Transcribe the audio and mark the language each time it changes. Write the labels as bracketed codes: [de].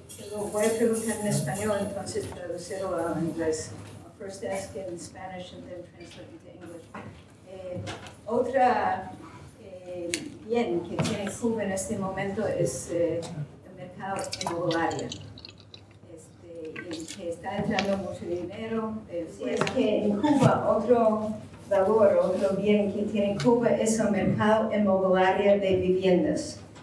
[es] Lo voy a preguntar en español, entonces traducirlo a inglés. [en] first ask it in Spanish and then translate it to English. [es] Otra bien que tiene Cuba en este momento es el mercado inmobiliario, en que está entrando mucho dinero. Si es que en Cuba otro valor, otro bien que tiene Cuba es el mercado inmobiliario de viviendas.